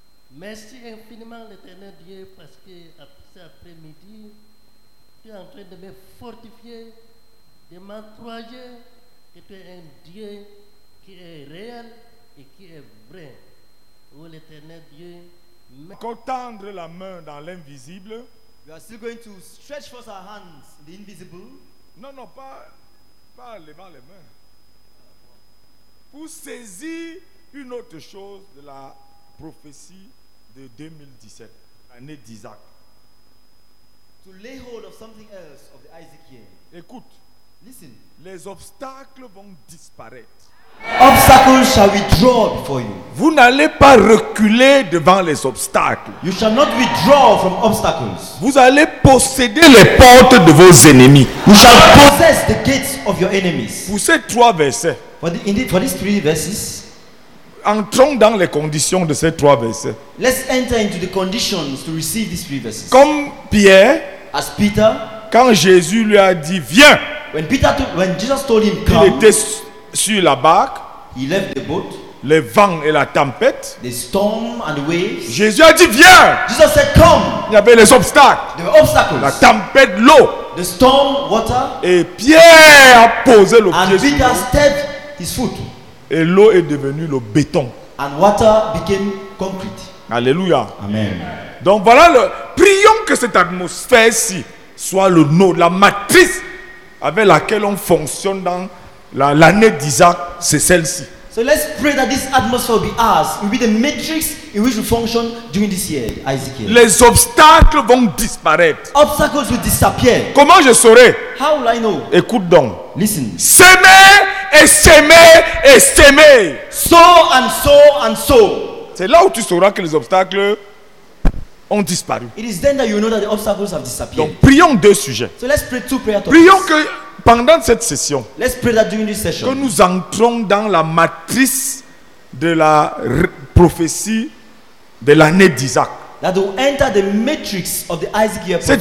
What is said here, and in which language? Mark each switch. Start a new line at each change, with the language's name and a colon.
French: Merci infiniment l'Éternel Dieu parce que cet après-midi, tu es en train de me fortifier, de m'encourager que tu es un Dieu qui est réel et qui est vrai. Oh l'Éternel Dieu. Contendre la main dans l'invisible.
English: We are still going to stretch forth our hands in the invisible.
French: Non, non, pas levant les mains. Pour saisir une autre chose de la prophétie de 2017, année d'Isaac.
English: To lay hold of something else of the Isaac year.
French: Écoute.
English: Listen.
French: Les obstacles vont disparaître.
English: Obstacles shall withdraw before you.
French: Vous n'allez pas reculer devant les obstacles.
English: You shall not withdraw from obstacles.
French: Vous allez posséder les portes de vos ennemis.
English: You shall possess the gates of your enemies.
French: Pour ces trois versets.
English: For these three verses.
French: Entrons dans les conditions de ces trois versets.
English: Let's enter into the conditions to receive these three verses.
French: Comme Pierre,
English: as Peter,
French: Quand Jésus lui a dit viens,
English: when Jesus told him come,
French: il était sur la barque,
English: he left the boat,
French: les vents et la tempête,
English: the storm and the waves,
French: Jésus a dit viens,
English: Jesus said come,
French: il y avait les obstacles,
English: there were obstacles,
French: la tempête, l'eau,
English: the storm, water,
French: et Pierre a posé le
English: and
French: pied
English: Peter
French: sur
English: stepped his foot,
French: et l'eau est devenue le béton,
English: and water became concrete.
French: Alléluia.
English: Amen.
French: Donc voilà, prions que cette atmosphère-ci soit le nôtre, la matrice avec laquelle on fonctionne dans l'année d'Isaac, c'est celle-ci.
English: So let's pray that this atmosphere will be ours, will be the matrix in which we function during this year, Isaac.
French: Les obstacles vont disparaître.
English: Obstacles will disappear.
French: Comment je saurai?
English: How will I know?
French: Écoute donc.
English: Listen.
French: Semer et semer et semer.
English: Sow and sow and sow.
French: C'est là où tu sauras que les obstacles ont disparu.
English: It is then that you know that the obstacles have disappeared.
French: Donc prions deux sujets.
English: So let's pray two prayer topics.
French: Prions que pendant cette session,
English: let's pray that during this session,
French: que nous entrons dans la matrice de la prophétie de l'année d'Isaac.
English: That we enter the matrix of the Isaac year prophecy.